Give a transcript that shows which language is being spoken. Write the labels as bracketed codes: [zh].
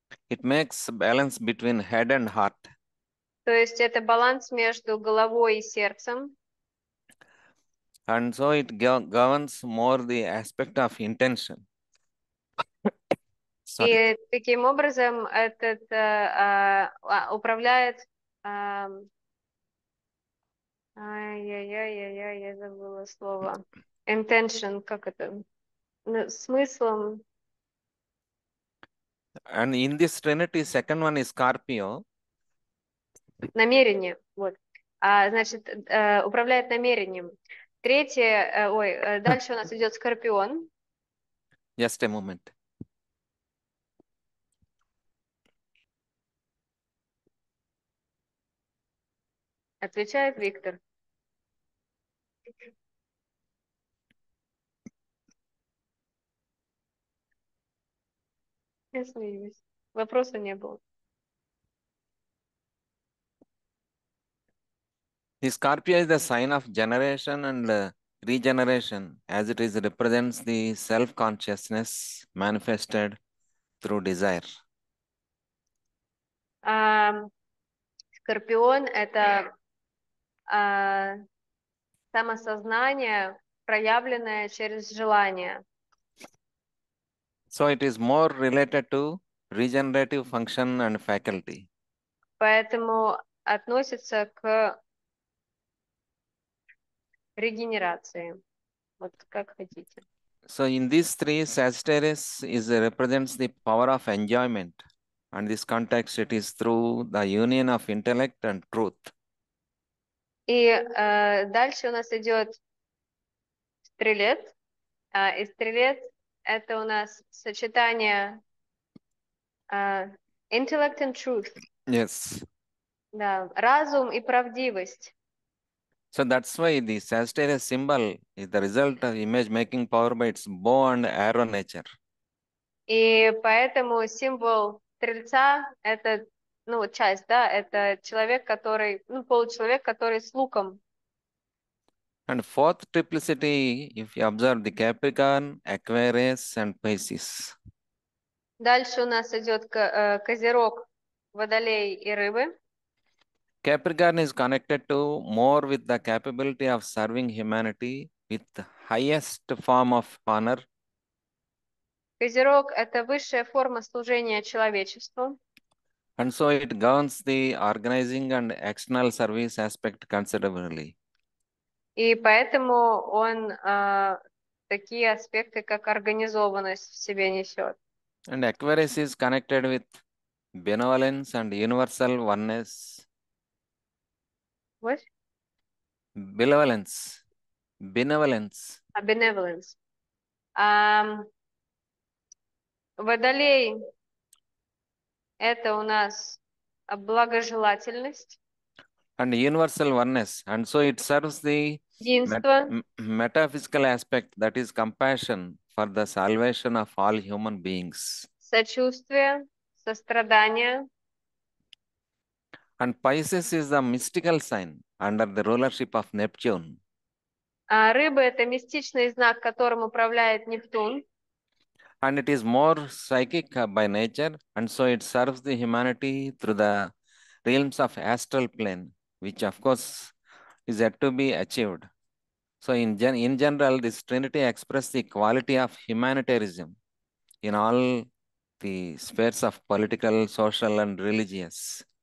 [en] It makes balance between head and heart. [ru] То есть это баланс между головой и сердцем. [en] And so it governs more the aspect of intention. [ru] И таким образом этот управляет. Ай-яй-яй-яй-яй, я забыла слово. Intention, как это? Смыслом. [en] And in this trinity, second one is Scorpio. [ru] Намерение, вот. Значит, управляет намерением. Третье, ой, дальше у нас идет Скорпион. [en] Just a moment. [ru] Отвечает Виктор. Я смеюсь. Вопроса не было. [en] The Scorpio is the sign of generation and regeneration, as it is represents the self-consciousness manifested through desire. [ru] Скорпион – это самосознание, проявленное через желание. [en] So it is more related to regenerative function and faculty. [ru] Поэтому относится к регенерации. Вот как хотите. [en] So in these three, Sagittarius is represents the power of enjoyment. And in this context, it is through the union of intellect and truth. [ru] И дальше у нас идет Стрелец. И Стрелец — это у нас сочетание [en] intellect and truth. Yes. [ru] Да, разум и правдивость. [en] So that's why the Sagittarius symbol is the result of image making power by its bow and arrow nature. [ru] И поэтому символ стрельца – это, ну, часть, да, это человек, который, ну, получеловек, который с луком. [en] And fourth triplicity, if you observe the Capricorn, Aquarius and Pisces. [ru] Дальше у нас идет Козерог, Водолей и Рыбы. [en] Capricorn is connected to more with the capability of serving humanity with the highest form of honor. [ru] Козерог – это высшая форма служения человечеству. [en] And so it governs the organizing and external service aspect considerably. [ru] И поэтому он такие аспекты, как организованность, в себе несет. [en] And Aquarius is connected with benevolence and universal oneness. What? Benevolence. Benevolence. A benevolence. [ru] Водолей – это у нас благожелательность. [en] And universal oneness. And so it serves the [ru] единство. [en] Metaphysical aspect, that is compassion for the salvation of all human beings. [ru] Сочувствие, сострадание. [en] And Pisces is the mystical sign under the rulership of Neptune. [ru] А рыба – это мистичный знак, которым управляет Нептун. [en] And it is more psychic by nature, and so it serves the humanity through the realms of astral plane, which of course is yet to be achieved. So in general, this trinity expresses the quality of humanitarianism in all the spheres of political, social, and religious.